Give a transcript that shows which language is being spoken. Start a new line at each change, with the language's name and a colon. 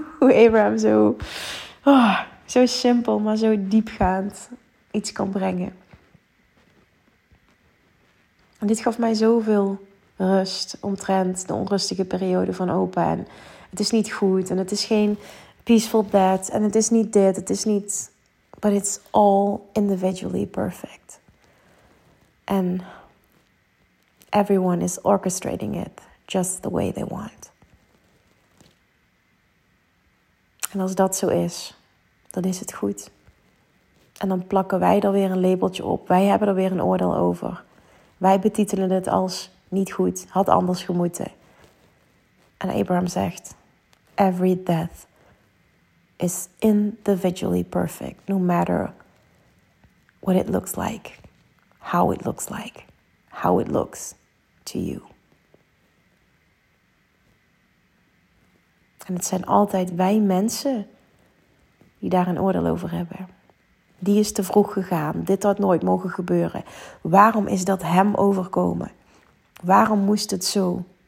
Dutch: Hoe Abraham zo, oh, zo simpel, maar zo diepgaand iets kan brengen. En dit gaf mij zoveel rust omtrent de onrustige periode van opa. En het is niet goed en het is geen
English: peaceful death.
Dutch: En het is niet dit, het is niet.
English: But it's all individually perfect. And everyone is orchestrating it just the way they want.
Dutch: En als dat zo is, dan is het goed. En dan plakken wij er weer een labeltje op. Wij hebben er weer een oordeel over. Wij betitelen het als niet goed, had anders gemoeten. En Abraham zegt,
English: every death is individually perfect, no matter what it looks like, how it looks like, how it looks to you.
Dutch: En het zijn altijd wij mensen die daar een oordeel over hebben. Die is te vroeg gegaan, dit had nooit mogen gebeuren. Waarom is dat hem overkomen? Waarom moest het zo?